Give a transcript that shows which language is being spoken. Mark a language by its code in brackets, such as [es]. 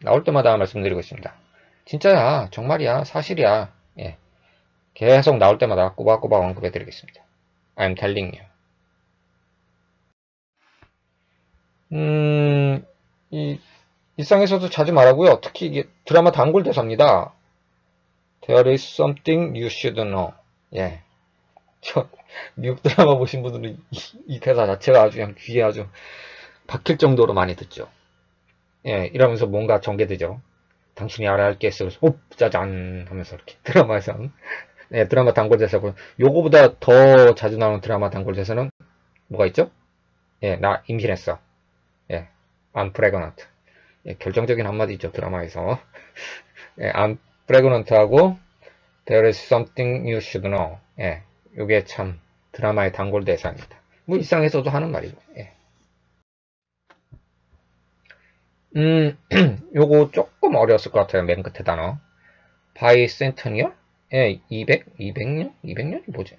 [ko] 나올 때마다 말씀드리고 있습니다. 진짜야, 정말이야, 사실이야. 예, 계속 나올 때마다 꼬박꼬박 언급해 드리겠습니다. [en] I'm telling you. [ko] 일상에서도 자주 말하고요. 특히 이게 드라마 단골 대사입니다. [en] There is something you should know. [ko] 예. 저, 미국 드라마 보신 분들은 이 대사 자체가 아주 그냥 귀에 아주 박힐 정도로 많이 듣죠. 예, 이러면서 뭔가 전개되죠. 당신이 알아야 할게 있어. 오, 짜잔! 하면서 이렇게 드라마에서는. 예, 드라마 단골 대사고요. 요거보다 더 자주 나오는 드라마 단골 대사는 뭐가 있죠? 예, 나 임신했어. 예, [en] I'm pregnant. [ko] 예, 결정적인 한마디죠, 드라마에서. 예, [en] I'm Pregnant [ko] 하고 [en] There is something you should know. [ko] 예, 요게 참 드라마의 단골 대사입니다. 뭐 일상에서도 하는 말이고. 예. 요거 조금 어려웠을 것 같아요. 맨 끝에 단어. Bicentennial? 예, 200? 200년? 200년이 뭐지?